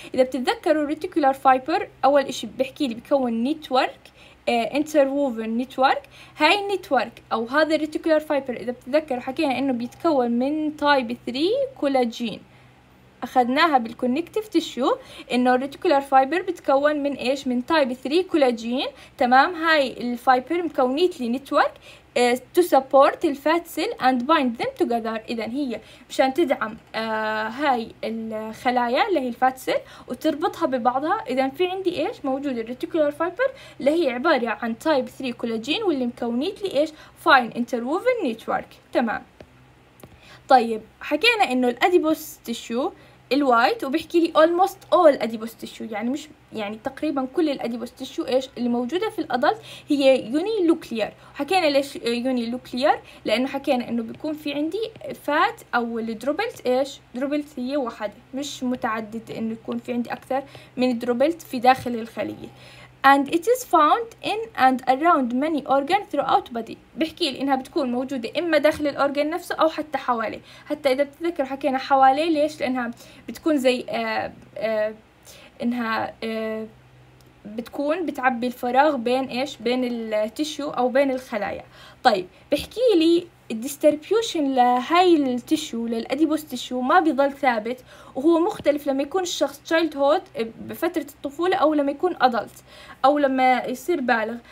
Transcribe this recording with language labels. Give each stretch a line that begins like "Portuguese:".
Arabic: إذا بتتذكروا الريتيكولار فايبر أول إشي بحكي لي بيكون نيتورك، انترووفن نيتورك. هاي النيتورك أو هذا الريتيكولار فايبر إذا بتتذكروا حكينا إنه بيتكون من تايب 3 كولاجين، أخذناها بالكونكتيف تيشو إنه الريتيكولار فايبر بتكون من إيش؟ من تايب 3 كولاجين تمام. هاي الفايبر مكونيت لي نيتورك
English: to support the fat cell and bind them together.
Arabic: إذن هي مشان تدعم هاي الخلايا اللي هي الفات سيل وتربطها ببعضها. إذن في عندي إيش؟ موجود الريتيكولار فايبر اللي هي عبارة عن تايب 3 كولاجين واللي مكونيت لي إيش؟
English: fine interwoven network.
Arabic: تمام، طيب حكينا إنه الأديبوس تيشو الوايت، وبحكي لي
English: almost all adipose tissue،
Arabic: يعني مش يعني تقريبا كل الأديبوس تيشو ايش اللي موجودة في الأدلت هي يوني لوكليير. حكينا ليش يوني لوكليير؟ لأنه حكينا انه بيكون في عندي فات او الدروبلت، ايش دروبلت؟ هي واحدة مش متعددة، انه يكون في عندي اكثر من دروبلت في داخل الخلية.
English: and it is found in and around many organs throughout body.
Arabic: بحكي لي إنها بتكون موجودة إما داخل الأورجان نفسه أو حتى حواليه. حتى إذا بتذكر حكينا حواليه ليش؟ لأنها بتكون زي إنها بتكون بتعبي الفراغ بين إيش؟ بين التيشو أو بين الخلايا. طيب بحكي لي الديستربيوشن لهاي التيشو للأديبوس تيشو ما بيظل ثابت، وهو مختلف لما يكون الشخص تشايلد هود بفترة الطفولة أو لما يكون أدلت أو لما يصير بالغ.